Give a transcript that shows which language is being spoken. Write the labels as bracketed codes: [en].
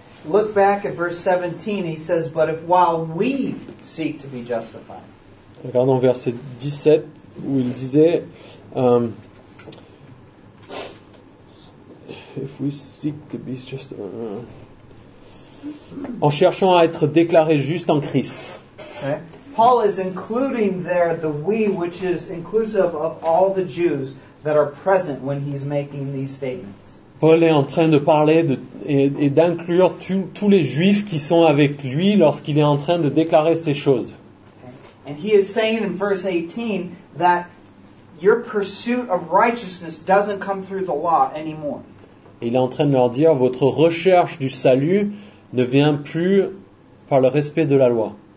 [en] Look back at verse 17, he says, but if while we seek to be justified. [fr] Regardons verset 17 où il disait [en] if we seek to be just, [fr] en cherchant à être déclaré juste en Christ. [en] Okay. Paul is including there the we, which is inclusive of all the Jews that are present when he's making these statements. [fr] Paul est en train de parler de, et d'inclure tous les Juifs qui sont avec lui lorsqu'il est en train de déclarer ces choses. [en] Okay. And he is saying in verse 18 that your pursuit of righteousness doesn't come through the law anymore. [fr] Il est en train de leur dire votre recherche du salut ne vient plus par le respect de la loi.